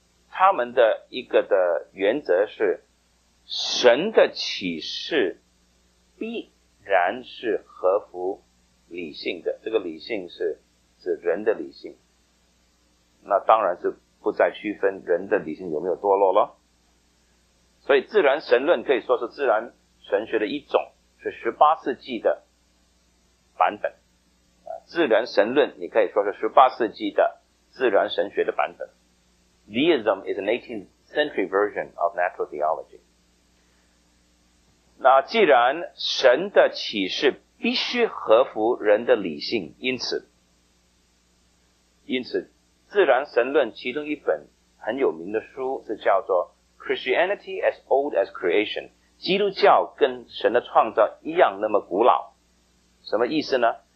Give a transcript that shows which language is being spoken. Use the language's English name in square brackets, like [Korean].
[Chinese] 他们的一个的原则是神的启示必然是合乎理性的，这个理性是指人的理性，那当然是不再区分人的理性有没有堕落了。所以自然神论可以说是自然神学的一种，是18世纪的版本。自然神论你可以说是18世纪的自然神学的版本。 [English] Deism is an 18th century version of natural theology。 [Chinese] 那既然神的启示必须合乎人的理性，因此自然神论其中一本很有名的书是叫做 Christianity as Old as Creation， 基督教跟神的创造一样那么古老。什么意思呢？